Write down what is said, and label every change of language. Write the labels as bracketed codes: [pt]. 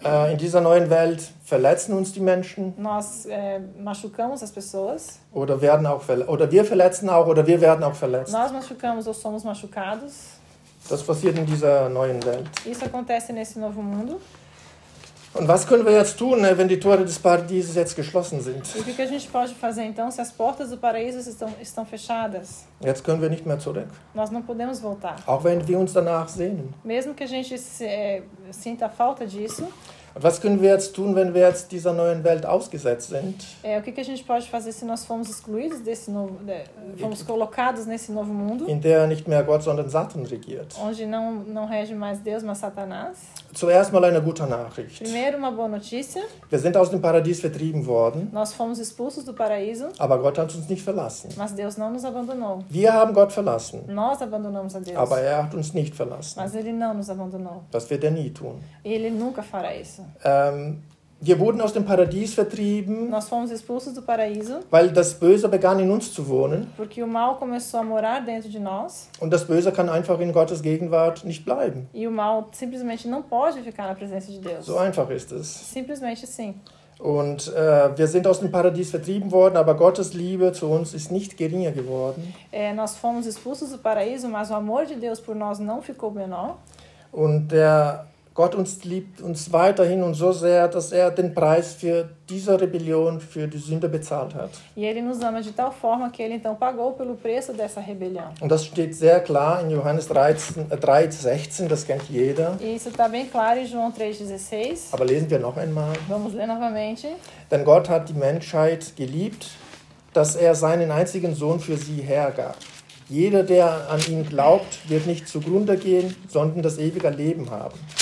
[de] In dieser neuen Welt verletzen uns die Menschen. [pt] Machucamos as pessoas. [de] Oder wir werden auch verletzt. [pt] Nós machucamos ou somos machucados. [de] Das passiert in dieser neuen Welt. [pt] Isso acontece nesse novo mundo. [de] Und was können wir jetzt tun, wenn die Tore des Paradieses jetzt geschlossen sind? [pt] E que a gente pode fazer então se as portas do paraíso estão fechadas? [de] Jetzt können wir nicht mehr zurück. [pt] Nós não podemos voltar. [de] Auch wenn wir uns danach sehnen. [pt] Mesmo que a gente sinta falta disso. [de] Und was können wir jetzt tun, wenn wir jetzt dieser neuen Welt ausgesetzt sind? [pt] O que a gente pode fazer se nós fomos excluídos desse novo, fomos colocados nesse novo mundo? [de] In der nicht mehr Gott, sondern Satan regiert. [pt] Onde não rege mais Deus, mas Satanás? [de] Zuerst mal eine gute Nachricht. [pt] Primeiro uma boa notícia. [de] Wir sind aus dem Paradies vertrieben worden. [pt] Nós fomos expulsos do paraíso. [de] Aber Gott hat uns nicht verlassen. [pt] Mas Deus não nos abandonou. [de] Wir haben Gott verlassen. [pt] Nós abandonamos a Deus. [de] Aber er hat uns nicht verlassen. [pt] Mas ele não nos abandonou. [de] Das wird er nie tun. [pt] Ele nunca fará isso. [de] Wir wurden aus dem Paradies vertrieben. [pt] Nós fomos expulsos do paraíso. [de] Weil das Böse begann in uns zu wohnen. [pt] Porque o mal começou a morar dentro de nós. [de] Und das Böse kann einfach in Gottes Gegenwart nicht bleiben. [pt] E o mal simplesmente não pode ficar na presença de Deus. [de] So einfach ist es. [pt] Simplesmente sim. [de] Und wir sind aus dem Paradies vertrieben worden, aber Gottes Liebe zu uns ist nicht geringer geworden. [pt] Nós fomos expulsos do paraíso, mas o amor de Deus por nós não ficou menor. [de] Und der Gott uns liebt uns weiterhin und so sehr, dass er den Preis für diese Rebellion, für die Sünde bezahlt hat. [pt] E ele nos ama de tal forma que ele então pagou pelo preço dessa rebelião. [de] Und das steht sehr klar in Johannes 3:16, das kennt jeder. [pt] E isso está bem claro em João 3:16. [de] Aber lesen wir noch einmal. [pt] Vamos ler novamente. [de] Denn Gott hat die Menschheit geliebt, dass er seinen einzigen Sohn für sie hergab. Jeder, der an ihn glaubt, wird nicht zugrunde gehen, sondern das ewige Leben haben.